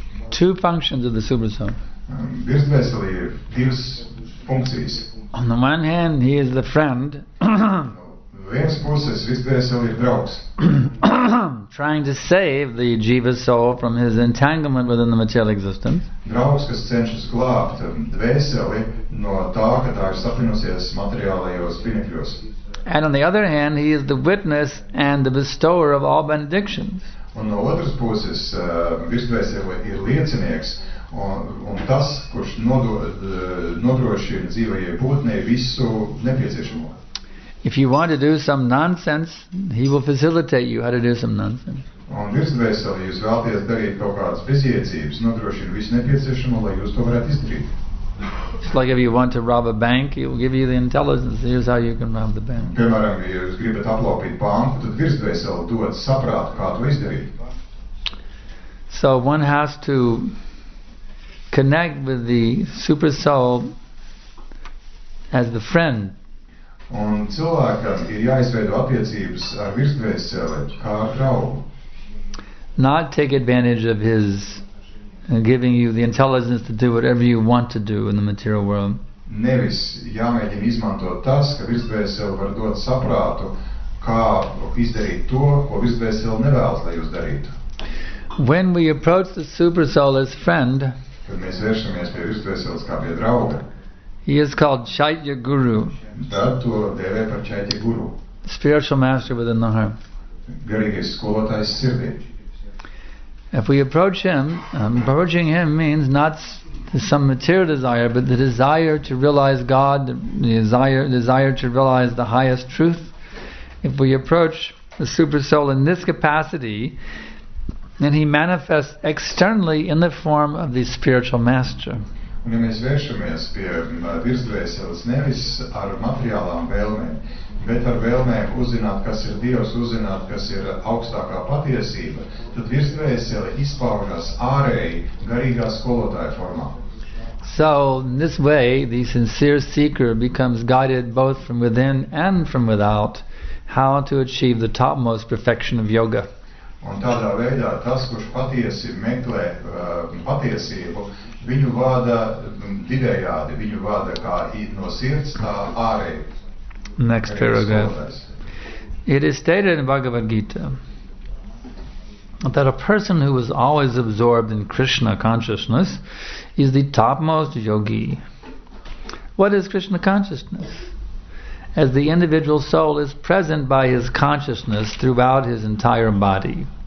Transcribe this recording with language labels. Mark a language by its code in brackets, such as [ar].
[en] Two functions of the super soul. [lv] Virsvesali ir divas funkcijas. [en] On the one hand, he is the friend. [lv] Viens puses, virsvesali ir draugs. [en] Trying to save the jiva soul from his entanglement within the material existence. [lv] Draugs, kas cenšas glābt dvēseli no tā, ka tā ir sapinusies materiālajos pinekļos. [en] And on the other hand, he is the witness and the bestower of all benedictions. [lv] Un no otras puses, virsvesali ir liecinieks. Un tas, kurš nodrošina dzīvajai būtnei visu nepieciešamo. [en] If you want to do some nonsense, he will facilitate you how to do some nonsense. [lv] Un virsdvēseli, jūs vēlaties darīt kaut kādas bezjēdzības, nodrošina visu nepieciešamo, lai jūs to varētu izdarīt. [en] It's like if you want to rob a bank, he will give you the intelligence, here's how you can rob the bank. [lv] Piemēram, ja jūs gribat aplaupīt banku, tad virsdvēseli dod saprātu, kā to izdarīt. [en] So one has to connect with the super soul as the friend. [lv] Un cilvēkam ir jāizveido attiecības ar virsdvēseli kā ar draugu. [en] Not take advantage of his giving you the intelligence to do whatever you want to do in the material world. [lv] Nevis jāmēģina izmantot tas, ka virsdvēseli var dot saprātu, kā izdarīt to, ko virsdvēseli nevēlas, lai jūs darītu. [en] When we approach the super soul as friend, [lv] kad mēs vēršamies pie virsdvēseles kā pie drauga. [en] He is called Chaitya Guru. [lv] Tad to dēvē par Chaitya Guru. [en] Spiritual master within the heart. [lv] Garīgais skolotājs sirdī. [en] If we approach him, approaching him means not some material desire, but the desire to realize God, the desire to realize the highest truth. If we approach the super soul in this capacity, and he manifests externally in the form of the spiritual master. [lv] Un ja mēs vēršamies pie virsdvēseles nevis ar materiālām vēlmēm, bet ar vēlmēm uzzināt, kas ir Dievs, uzzināt, kas ir augstākā patiesība, tad virsdvēsele izpaužas ārēji garīgā skolotāja formā. [en] So, in this way, the sincere seeker becomes guided both from within and from without, how to achieve the topmost perfection of yoga. [lv] Un tādā veidā tas, kurš patiesi meklē patiesību, viņu vada divējādi, viņu vada kā no sirds, tā ārē. [en] Next paragraph. It is stated in Bhagavad Gita that a person who is always absorbed in Krishna consciousness is the topmost yogi. What is Krishna consciousness? As the individual soul is present by his consciousness throughout his entire body.